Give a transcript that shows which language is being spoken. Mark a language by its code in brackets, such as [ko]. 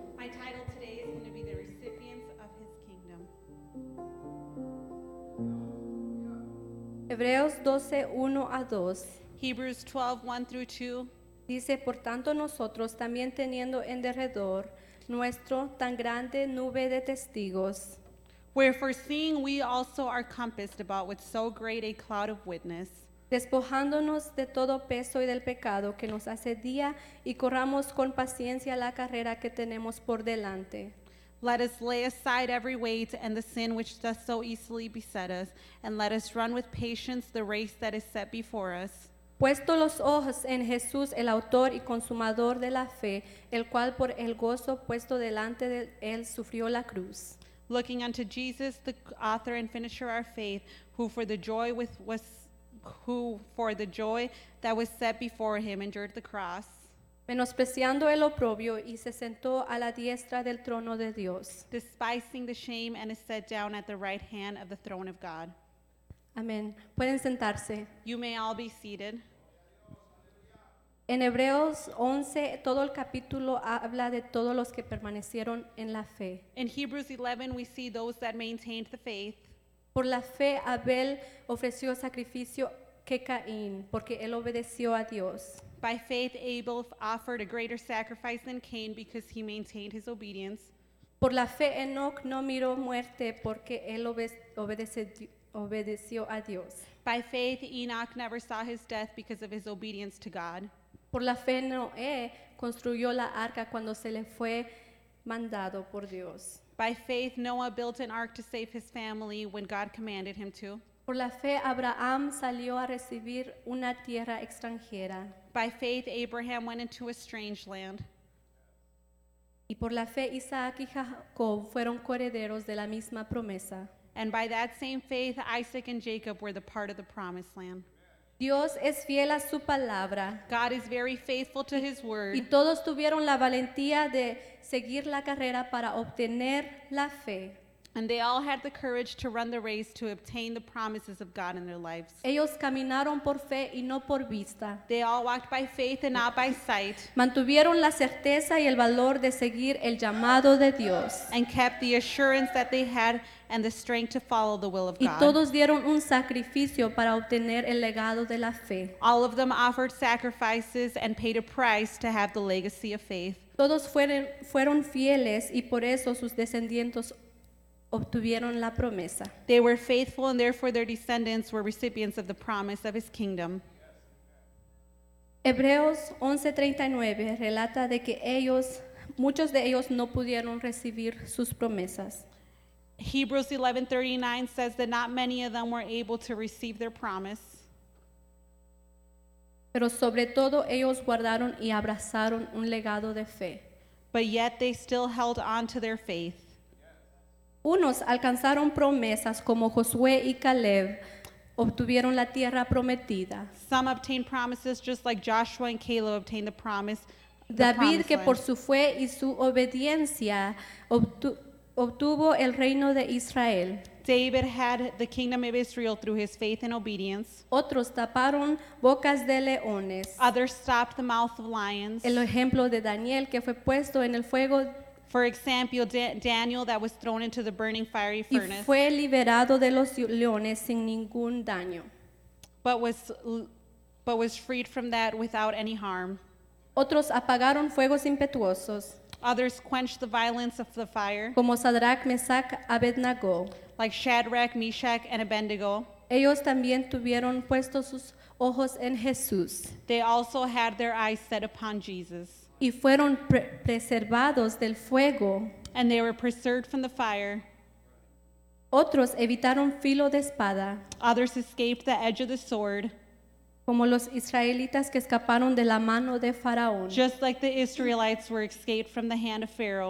[en] My title today is going to be the recipients of his kingdom. [es] Hebreos 12, 1 a 2. [en] Hebrews 12, 1 through 2. [es] Dice, por tanto nosotros también teniendo en derredor nuestro tan grande nube de testigos. [en] Wherefore seeing we also are compassed about with so great a cloud of witness. [es] Despojándonos de todo peso y del pecado que nos asedia y corramos con paciencia la carrera que tenemos por delante. [en] Let us lay aside every weight and the sin which does so easily beset us, and let us run with patience the race that is set before us. [es] Puesto los ojos en Jesús, el autor y consumador de la fe, el cual por el gozo puesto delante de él sufrió la cruz. [en] Looking unto Jesus, the author and finisher of our faith, who for the joy that was set before him endured the cross, [es] menospreciando el oprobio y se sentó a la diestra del trono de Dios, [en] despising the shame and is set down at the right hand of the throne of God. [es] Amen. Pueden sentarse. [en] You may all be seated. [es] En Hebreos 11, todo el capítulo habla de todos los que permanecieron en la fe. [en] In Hebrews 11, we see those that maintained the faith. [es] Por la fe Abel ofreció sacrificio que Caín, porque él obedeció a Dios. [en] By faith Abel offered a greater sacrifice than Cain because he maintained his obedience. [es] Por la fe Enoch no miró muerte porque él obedeció a Dios. [en] By faith Enoch never saw his death because of his obedience to God. [es] Por la fe Noé construyó la arca cuando se le fue mandado por Dios. [en] By faith, Noah built an ark to save his family when God commanded him to. [es] Por la fe, Abraham salió a recibir una tierra extranjera. [en] By faith, Abraham went into a strange land. [es] Y por la fe, Isaac y Jacob fueron coherederos de la misma promesa. [en] And by that same faith, Isaac and Jacob were the part of the promised land. [es] Dios es fiel a su palabra. [en] God is very faithful to his word. [es] Y todos tuvieron la valentía de seguir la carrera para obtener la fe. [en] And they all had the courage to run the race to obtain the promises of God in their lives. [es] Ellos caminaron por fe y no por vista. [en] They all walked by faith and not by sight. [es] Mantuvieron la certeza y el valor de seguir el llamado de Dios. [en] And kept the assurance that they had and the strength to follow the will of God. [es] Y todos dieron un sacrificio para obtener el legado de la fe. [en] All of them offered sacrifices and paid a price to have the legacy of faith. [es] Todos fueron fieles y por eso sus descendientes obtuvieron la promesa. [en] They were faithful and therefore their descendants were recipients of the promise of his kingdom. [es] Hebreos 11:39 relata de que muchos de ellos no pudieron recibir sus promesas. [en] Hebrews 11:39 says that not many of them were able to receive their promise. [es] Pero sobre todo ellos guardaron y abrazaron un legado de fe. [en] But yet they still held on to their faith. [es] Unos alcanzaron promesas como Josué y Caleb obtuvieron la tierra prometida. [en] Some obtained promises just like Joshua and Caleb obtained the promise. [es] David, que por su fe y su obediencia obtuvo el reino de Israel. [en] David had the kingdom of Israel through his faith and obedience. [es] Otros taparon bocas de leones. [en] Others stopped the mouth of lions. [es] El ejemplo de Daniel que fue puesto en el fuego. [en] For example, Daniel that was thrown into the burning fiery furnace. [es] Y fue liberado de los leones sin ningún daño. [en] But was freed from that without any harm. [es] Otros apagaron fuegos impetuosos. [en] Others quenched the violence of the fire. [es] Como Sadrach, Mesach, Abednego. [en] Like Shadrach, Meshach, and Abednego. [es] Ellos también tuvieron puestos sus ojos en Jesús. [en] They also had their eyes set upon Jesus. [es] Y fueron preservados del fuego. [en] And they were preserved from the fire. [es] Otros evitaron filo de espada. [en] Others escaped the edge of the sword. [es] Como los israelitas que escaparon de la mano de Faraón. [en] Just like the Israelites were escaped from the hand of Pharaoh.